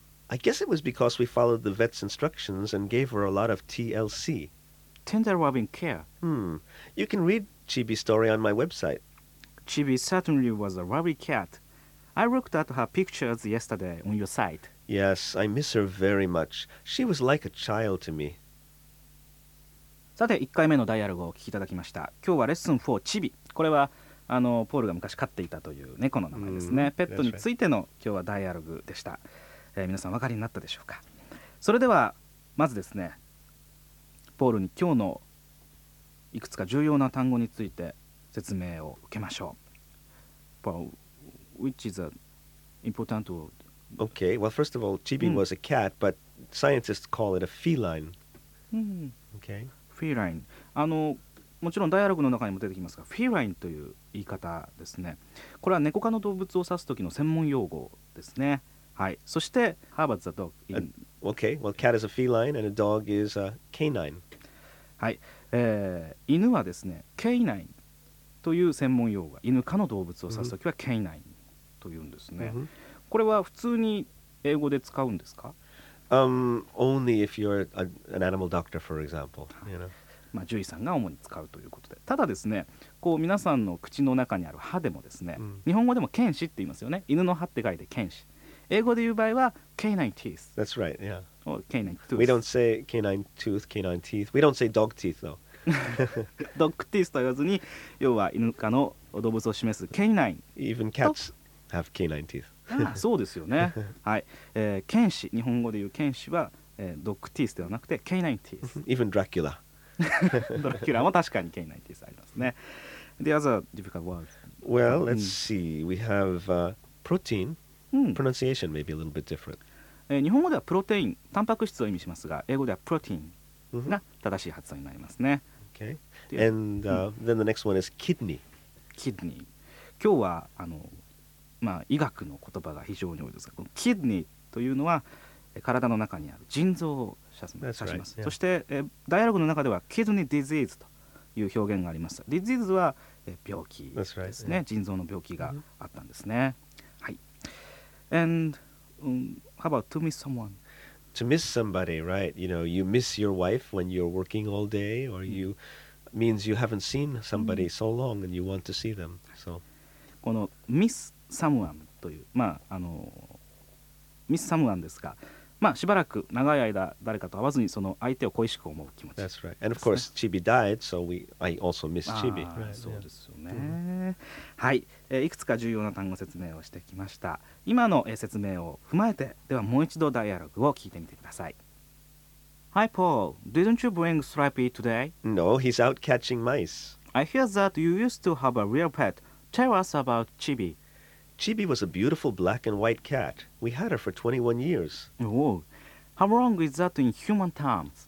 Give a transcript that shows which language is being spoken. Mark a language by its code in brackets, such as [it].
[en] I guess it was because we followed the vet's instructions and gave her a lot of TLC. Tender loving care. You can read Chibi's story on my website. Chibi certainly was a lovely cat. I looked at her pictures yesterday on your site. Yes, I miss her very much. She was like a child to me. [ja] さて、1回目のダイアログをお聞きいただきました。今日はレッスン4、チビ。これはポールが昔飼っていたという猫の名前ですね。ペットについての今日はダイアログでした。皆さん分かりになったでしょうか。それではまずですね、ポールに今日のいくつか重要な単語について説明を受けましょう。 [en] But which is an important word? Okay, well, first of all, Chibi was a cat, but scientists call it a feline. Okay. Feline. [ja] もちろんダイアログの中にも出てきますが、フィラインという言い方ですね。これは猫科の動物を指す時の専門用語ですね。はい。 [en] そして、How about the dog? Okay, well, cat is a feline and a dog is a canine. [ja] はい。犬はですね、canine. という専門用語、犬科の動物を指すときはケイナインというんですね。これは普通に英語で使うんですか？ [en] Only if you're an animal doctor, for example. [ja] まあ、獣医さんが主に使うということで。ただですね、こう皆さんの口の中にある歯でもですね、日本語でも犬歯って言いますよね。犬の歯って書いて犬歯。英語で言う場合はケイナインティース。 [en] That's right, yeah. Or canine tooth. We don't say canine tooth, canine teeth. We don't say dog teeth, though. [ja] ドッグティースと言わずに、要は犬科の動物を示すケイナイン。 [en] Even cats have canine teeth. [ja] そうですよね。はい。犬歯、日本語で言う犬歯は、ドッグティースではなくてケイナインティース。 [en] Even Dracula. [ja] ドラキュラも確かにケイナインティースありますね。 [en] The other difficult word. Well, let's see. We have protein. Pronunciation may be a little bit different. [ja] 日本語ではプロテイン、タンパク質を意味しますが、英語ではプロテイン。が正しい発音になりますね。 [en] Okay. And then the next one is kidney. Kidney. [ja] 今日は医学の言葉が非常に多いですが、この kidney というのは体の中にある腎臓を指します。 [en] That's right. [ja] そして、ダイアログの中では kidney disease という表現がありました。 Disease は病気ですね。 [en] That's right. [ja] 腎臓の病気があったんですね。はい。And [en] How about to miss someone? To miss somebody, right? You know, you miss your wife when you're working all day, or you means you haven't seen somebody so long and you want to see them. So, [ja] この miss someone という、まあ、あの miss someone ですが、まあ、しばらく長い間誰かと会わずにその相手を恋しく思う気持ち。 [en] That's right. And of course, Chibi died, so I also miss Chibi. [ja] あー、right. そうですよね。はい、いくつか重要な単語説明をしてきました。今の説明を踏まえて、ではもう一度ダイアログを聞いてみてください。 [en] Hi, Paul. Didn't you bring Stripey today? No, he's out catching mice. I hear that you used to have a real pet. Tell us about Chibi. Chibi was a beautiful black and white cat. We had her for 21 years. Oh, how long is that in human terms?